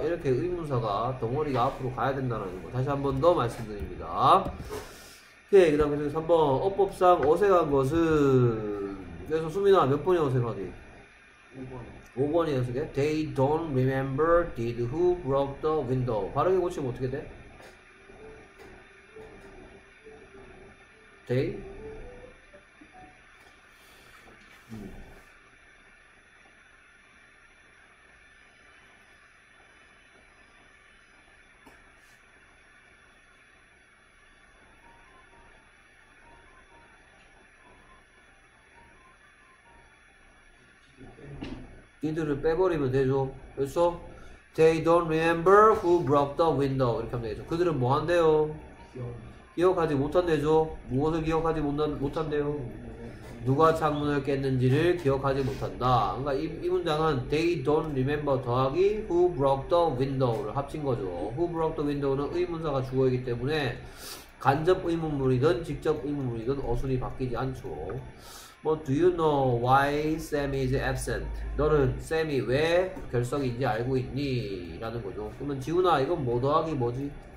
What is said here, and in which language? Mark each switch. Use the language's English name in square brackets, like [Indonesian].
[Korean] 이렇게 의문사가 덩어리가 앞으로 가야 된다는 거 다시 한번 더 말씀드립니다. 오케이, 그 다음에 3번 어법상 어색한 것은 그래서 수민아 몇 번이 어색하니? 5번 5번이 어색해? [English] They don't remember did who broke the window. [Korean] 발음이 고치면 어떻게 돼? [English] They? [Korean] 이들을 빼버리면 되죠. [English] 그래서 They don't remember who broke the window. [Korean] 이렇게 하면 되죠. 그들은 뭐 한대요? 기억하지 못한대죠. 무엇을 기억하지 못한대요? 누가 창문을 깼는지를 기억하지 못한다. 그러니까 이 문장은 [English] They don't remember [Korean] 더하기 [English] who broke the window [Korean] 를 합친 거죠. [English] Who broke the window [Korean] 는 의문사가 주어이기 때문에 간접 의문문이든 직접 의문문이든 어순이 바뀌지 않죠. [English] 뭐, do you know why Sam is absent? [Korean] 너는 Sam이 왜 결석인지 알고 있니? 라는 거죠. 그러면 지훈아, 이건 뭐 더하기 뭐지?